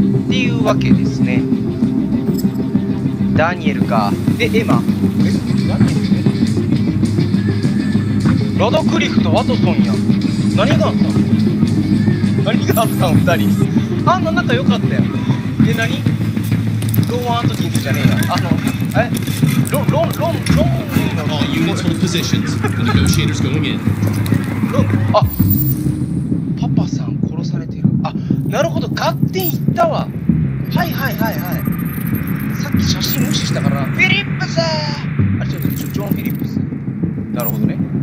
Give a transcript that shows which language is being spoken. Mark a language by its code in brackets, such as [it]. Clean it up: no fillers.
[ja] っていうわけですね。ダニエルか。で、エマ。ダニエルね。ラドクリフとワトソンや。何があったの？何があったの？二人。あんな仲良かったやん。で、何？ローン・アントキンスじゃねえや。 [en] All units hold positions. The negotiator's going in. Ah, Papa-san, 殺 [ja] なるほど、ガッテン行ったわ。はいはいはいはい。さっき写真無視したから、フィリップスー、あ、ちょっと、ジョン・フィリップス。なるほどね。